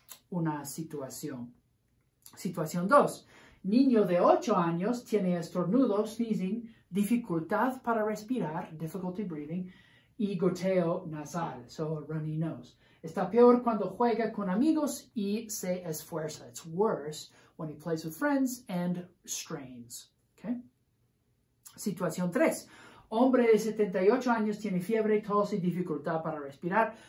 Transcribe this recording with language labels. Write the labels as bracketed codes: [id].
[es] Una situación. Situación 2. Niño de 8 años tiene estornudo, sneezing, dificultad para respirar, difficulty breathing, y goteo nasal, so runny nose. Está peor cuando juega con amigos y se esfuerza. [en] It's worse when he plays with friends and strains. [es] Okay? Situación 3. Hombre de 78 años tiene fiebre, tos y dificultad para respirar.